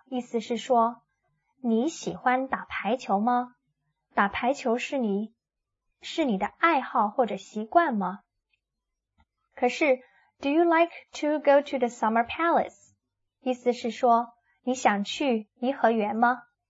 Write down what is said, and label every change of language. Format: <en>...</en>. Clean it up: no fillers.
<zh>意思是说，你喜欢打排球吗？打排球是你的爱好或者习惯吗？可是</zh> <en>do you like to go to the summer palace?</en> <zh>意思是说，你想去颐和园吗？</zh>